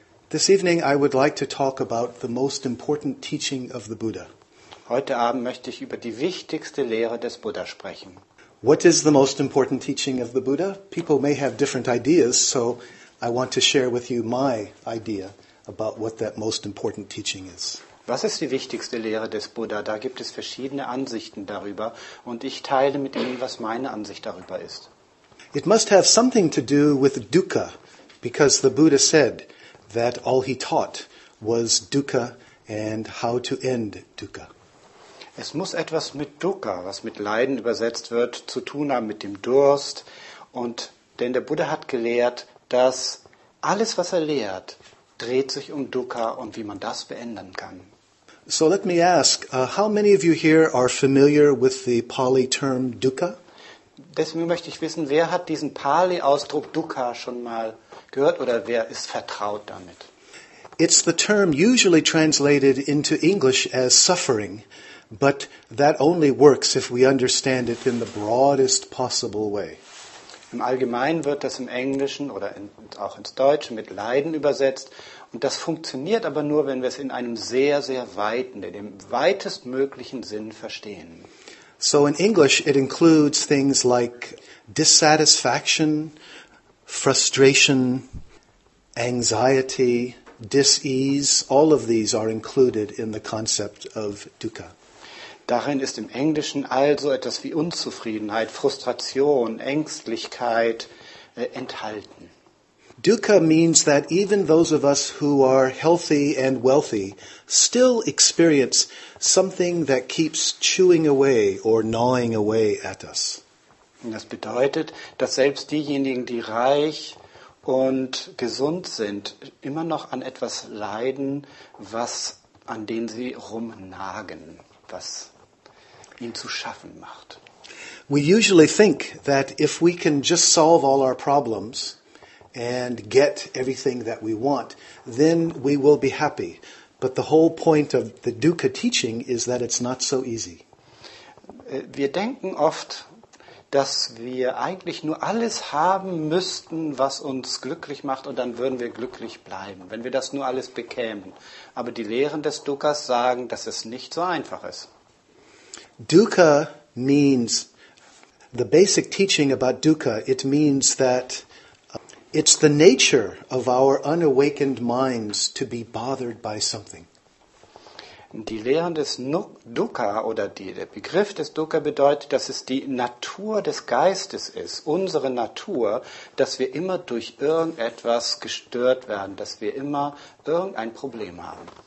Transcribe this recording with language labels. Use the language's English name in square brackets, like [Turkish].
[English] This evening I would like to talk about the most important teaching of the Buddha. [German] Heute Abend möchte ich über die wichtigste Lehre des Buddha sprechen. [English] What is the most important teaching of the Buddha? People may have different ideas, so I want to share with you my idea about what that most important teaching is. [German] Was ist die wichtigste Lehre des Buddha? Da gibt es verschiedene Ansichten darüber und ich teile mit Ihnen, was meine Ansicht darüber ist. [English] It must have something to do with dukkha, because the Buddha said that all he taught was dukkha and how to end dukkha. [German] Es muss etwas mit dukkha, was mit Leiden übersetzt wird, zu tun haben, mit dem Durst. Und denn der Buddha hat gelehrt, dass alles, was er lehrt, dreht sich um dukkha und wie man das beenden kann. [English] So let me ask, how many of you here are familiar with the Pali term dukkha? [German] Deswegen möchte ich wissen, wer hat diesen Pali-Ausdruck dukkha schon mal gehört oder wer ist vertraut damit? [English] It's the term usually translated into English as suffering, but that only works if we understand it in the broadest possible way. [German] Im Allgemeinen wird das im Englischen oder auch ins Deutsche mit Leiden übersetzt und das funktioniert aber nur, wenn wir es in einem sehr, sehr weiten, in dem weitestmöglichen Sinn verstehen. [English] So in English it includes things like dissatisfaction, frustration, anxiety, dis-ease, all of these are included in the concept of dukkha. [German] Darin ist im Englischen also etwas wie Unzufriedenheit, Frustration, Ängstlichkeit enthalten. [English] Dukkha means that even those of us who are healthy and wealthy still experience something that keeps chewing away or gnawing away at us. [German] Das bedeutet, dass selbst diejenigen, die reich und gesund sind, immer noch an etwas leiden, was an dem sie rumnagen, was ihnen zu schaffen macht. [English] We usually think that if we can just solve all our problems and get everything that we want, then we will be happy. But the whole point of the dukkha teaching is that it's not so easy. [German] Wir denken oft, dass wir eigentlich nur alles haben müssten, was uns glücklich macht, und dann würden wir glücklich bleiben, wenn wir das nur alles bekämen. Aber die Lehren des Dukkhas sagen, dass es nicht so einfach ist. [English] Dukkha means, the basic teaching about dukkha, it means that it's the nature of our unawakened minds to be bothered by something. [German] Die Lehren des Dukkha oder der Begriff des Dukkha bedeutet, dass es die Natur des Geistes ist, unsere Natur, dass wir immer durch irgendetwas gestört werden, dass wir immer irgendein Problem haben.